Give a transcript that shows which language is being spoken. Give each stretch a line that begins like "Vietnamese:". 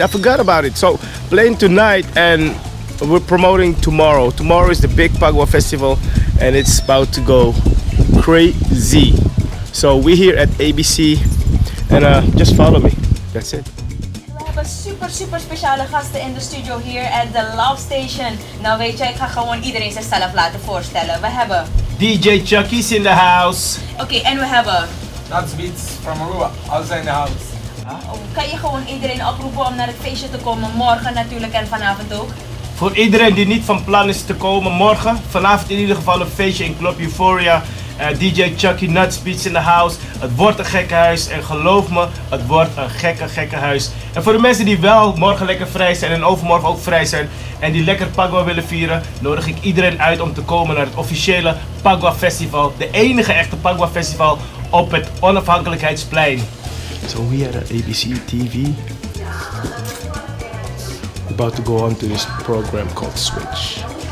English: I forgot about it. So, playing tonight and we're promoting tomorrow. Tomorrow is the big Pagua Festival. And it's about to go crazy. So we're here at ABC. And just follow me. That's it. We have a super, super
Dutch: speciale gasten
English: in the studio here at the Love Station.
Dutch: Nou weet je, ik ga gewoon iedereen zichzelf laten voorstellen. We hebben
English: DJ Chucky's in the house. Okay, and we
Dutch: hebben
English: Nuts Beats from Aruba. How's in the house? Huh?
Dutch: Kan je gewoon iedereen oproepen om naar het feestje te komen? Morgen natuurlijk en vanavond ook. Voor iedereen die niet van plan is te komen morgen, vanavond in ieder geval een feestje in Club Euphoria. DJ Chucky Nuts Beats
English: in the house.
Dutch: Het wordt een gekke huis en geloof me, het wordt een gekke huis. En voor de mensen die wel morgen lekker vrij zijn en overmorgen ook vrij zijn en die lekker Pagua willen vieren, nodig ik iedereen uit om te komen naar het officiële Pagua Festival. De enige echte Pagua Festival op het Onafhankelijkheidsplein.
English: So we are at ABC TV. About to go on to this program called Switch.